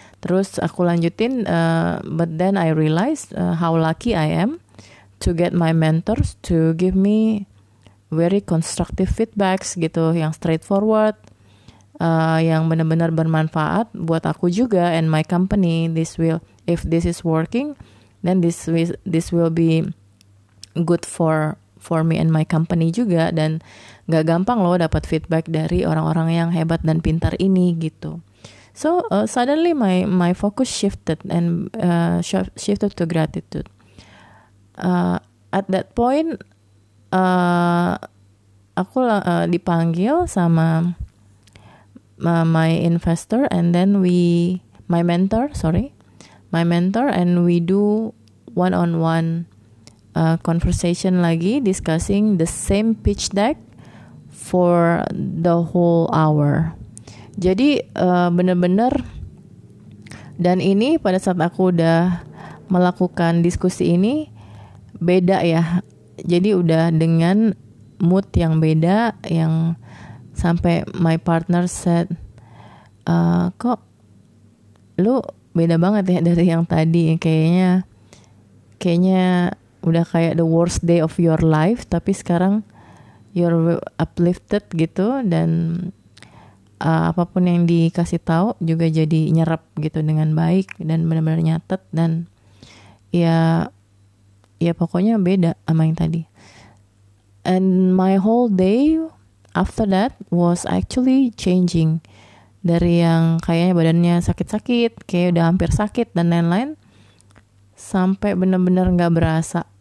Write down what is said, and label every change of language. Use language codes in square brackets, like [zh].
[id] Terus aku lanjutin, [en] but then I realized how lucky I am to get my mentors to give me very constructive feedbacks [id] gitu, yang straightforward, yang benar-benar bermanfaat buat aku juga [en] and my company. This will, if this is working, then this will be good for me and my company [id] juga. Dan gak gampang loh dapat feedback dari orang-orang yang hebat dan pintar ini gitu. [en] So suddenly my focus shifted and shifted to gratitude. At that point, [id] aku dipanggil sama [en] my investor and then my mentor and we do one-on-one conversation [id] lagi [en] discussing the same pitch deck for the whole hour. [id] Jadi benar-benar, dan ini pada saat aku udah melakukan diskusi ini beda ya. Jadi udah dengan mood yang beda, yang sampai [en] my partner said, [id] kok lu beda banget ya dari yang tadi. Kayaknya udah kayak [en] the worst day of your life, [id] tapi sekarang [en] you're uplifted [id] gitu dan apapun yang dikasih tahu juga jadi nyerap gitu dengan baik dan benar-benar nyatet. Dan ya pokoknya beda sama yang tadi. [en] And my whole day after that was actually changing. [id] Dari yang kayaknya badannya sakit-sakit, kayak udah hampir sakit dan lain-lain, sampai benar-benar gak berasa.